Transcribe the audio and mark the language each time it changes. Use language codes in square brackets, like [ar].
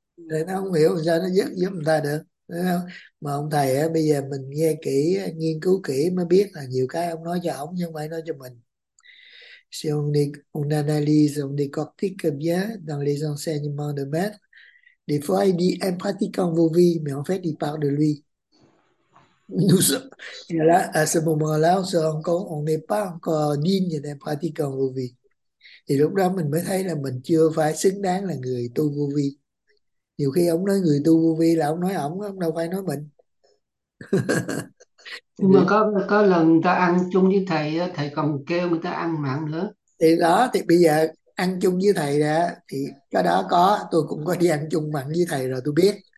[vi] Để nó không hiểu sao nó giúp giúp người ta được, đúng không? Mà ông thầy á, bây giờ mình nghe kỹ, nghiên cứu kỹ mới biết là nhiều cái ông nói cho ông nhưng mà nói cho mình. [fr] Si on dit, on analyse, on décortique bien dans les enseignements de maître, des fois il dit un pratiquant vos vies, mais en fait il parle de lui. Nous sommes, et là, à ce moment-là, on se rend compte, on n'est pas encore digne d'un pratiquant vos vies. [vi] Thì lúc đó mình mới thấy là mình chưa phải xứng đáng là người tu vô vi. Nhiều khi ông nói người tu vô vi là ông nói ổng, ông đâu phải nói mình. Nhưng mà có lần người ta ăn chung với thầy, thầy còn kêu người ta ăn mặn nữa. Thì đó, thì bây giờ ăn chung với thầy đó, thì cái đó có, tôi cũng có đi ăn chung mặn với thầy rồi tôi biết.